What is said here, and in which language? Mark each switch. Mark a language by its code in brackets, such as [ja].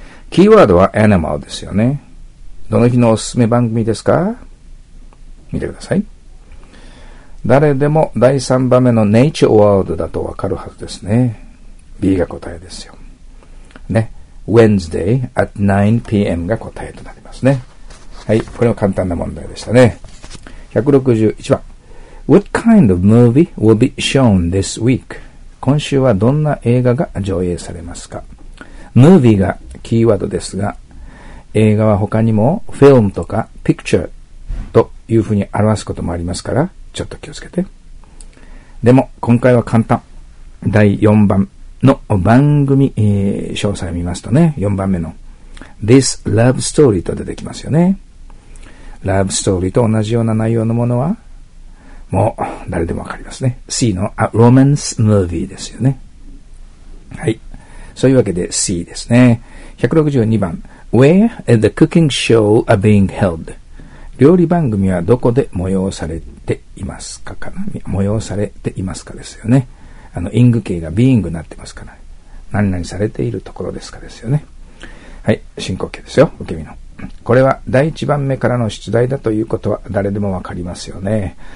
[ja] キーワードはアニマルですよね。どの日のおすすめ番組ですか？見てください。誰でも第3番目のネイチャーワールドだとわかるはずですね。 B が答えですよ。ね。 [en] Wednesday at 9pm [ja] が答えとなりますね。はい。これも簡単な問題でしたね。 161番。 [en] What kind of movie will be shown this week? [ja] 今週はどんな映画が上映されますか？ Movie がキーワードですが、映画は他にも Film とか Picture というふうに表すこともありますから、ちょっと気をつけて。でも、今回は簡単。第4番の番組、詳細を見ますとね、4番目の This Love Story と出てきますよね。 Love Story と同じような内容のものは、もう誰でもわかりますね。 C の [en] A Romance Movie [ja] ですよね。はい、そういうわけで C ですね。 [en] 162番 Where is the cooking show being held? [ja] 料理番組はどこで催されていますかかな、催されていますかですよね。あの ing 形が being になってますから、何々されているところですかですよね。はい、進行形ですよ。受け身の、これは第1番目からの出題だということは誰でもわかりますよね。